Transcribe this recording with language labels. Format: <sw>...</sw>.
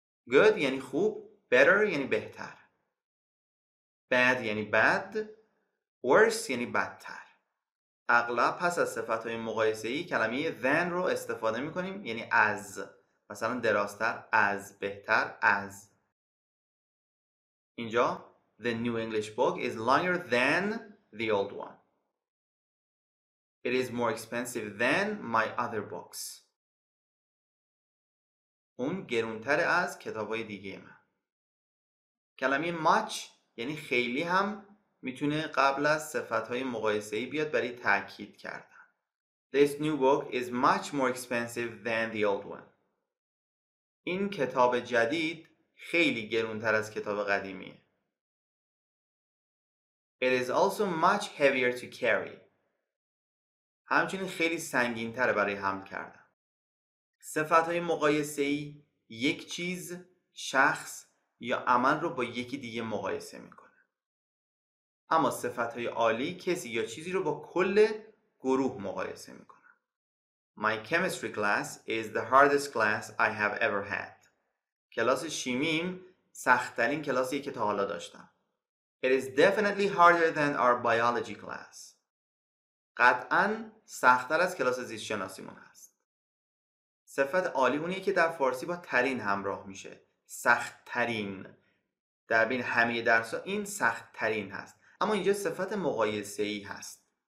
<fa>Good یعنی خوب، better یعنی بهتر. Bad یعنی bad، worse یعنی بدتر. اغلب پس از صفت‌های مقایسه‌ای کلمه than رو استفاده می‌کنیم، یعنی از. مثلا دراستر از، بهتر از. اینجا</fa> <en>the new English book is longer than the old one. It is more expensive than my other books.</en> <fa>اون گرونتر از کتاب‌های دیگه من. کلمه much یعنی خیلی هم میتونه قبل از صفت‌های مقایسه‌ای بیاد برای تأکید کردن.</fa> <en>This new book is much more expensive than the old one.</en> <fa>این کتاب جدید خیلی گرونتر از کتاب قدیمیه.</fa> <en>It is also much heavier to carry.</en> <fa>همچنین خیلی سنگین‌تر برای حمل کردن. صفت‌های مقایسه‌ای یک چیز، شخص یا عمل رو با یکی دیگه مقایسه می‌کنه. اما صفت‌های عالی کسی یا چیزی رو با کل گروه مقایسه می‌کنن.</fa> <en>My chemistry class is the hardest class I have ever had.</en> <fa>کلاس شیمیم سخت‌ترین کلاسیه که تا حالا داشتم.</fa> <en>It is definitely harder than our biology class.</en> <fa>قطعاً سخت‌تر از کلاس زیست‌شناسیمون هست. صفت عالی اونیه که در فارسی با ترین همراه میشه. سخت‌ترین. در بین همه درس‌ها این سخت‌ترین هست. اما اینجا صفت مقایسه ای هست.</fa>